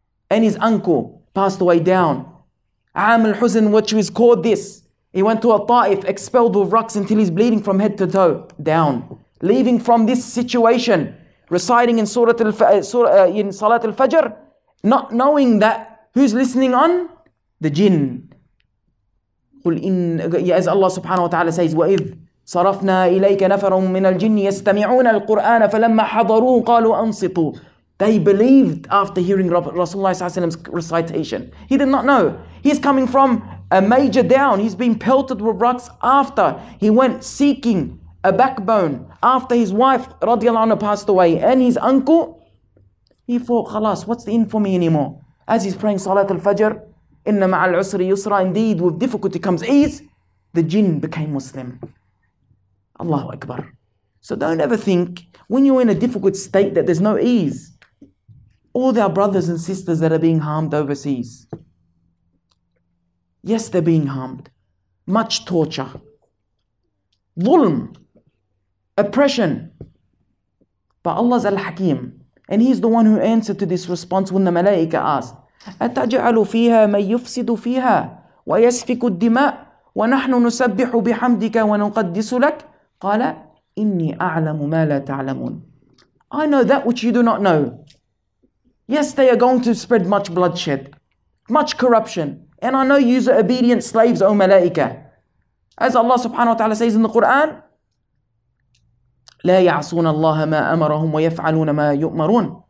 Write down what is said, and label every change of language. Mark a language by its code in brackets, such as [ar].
[en] And his uncle passed away, down. Am al-Huzn, which was called this. He went to a ta'if, expelled with rocks until he's bleeding from head to toe, down. Leaving from this situation, reciting in Salat al-Fajr, not knowing that who's listening on? The jinn. [ar] قُلْ إِنْ [en] As Allah subhanahu wa ta'ala says, [ar] وَإِذْ صَرَفْنَا إِلَيْكَ نَفَرٌ مِّنَ الْجِنِّ يَسْتَمِعُونَ الْقُرْآنَ فَلَمَّا حَضَرُوا قَالُوا أَنْصِطُوا. [en] They believed after hearing Rasulullah's recitation. He did not know. He's coming from a major down. He's been pelted with rocks after he went seeking a backbone after his wife radiallahu anha passed away and his uncle. He thought, khalas, what's the in for me anymore? As he's praying Salat al-Fajr, [ar] inna ma'al usri yusra, [en] indeed with difficulty comes ease, the jinn became Muslim. Allahu Akbar. So don't ever think when you're in a difficult state that there's no ease. All their brothers and sisters that are being harmed overseas, yes, they're being harmed. Much torture, dhulm, oppression. But Allah's al-Hakim, and He's the one who answered to this response when the Malaika asked, [ar] أَتَجْعَلُ فِيهَا مَنْ يُفْسِدُ فِيهَا وَيَسْفِكُ الدِّمَاءُ وَنَحْنُ نُسَبِّحُ بِحَمْدِكَ وَنُقَدِّسُ لَكَ قَالَ إِنِّي أَعْلَمُ مَا لَا تَعْلَمُونَ. [en] I know that which you do not know. Yes, they are going to spread much bloodshed, much corruption. And I know you are obedient slaves, O Malaika. As Allah subhanahu wa ta'ala says in the Quran, [ar] لا يعصون الله ما أمرهم ويفعلون ما يؤمرون.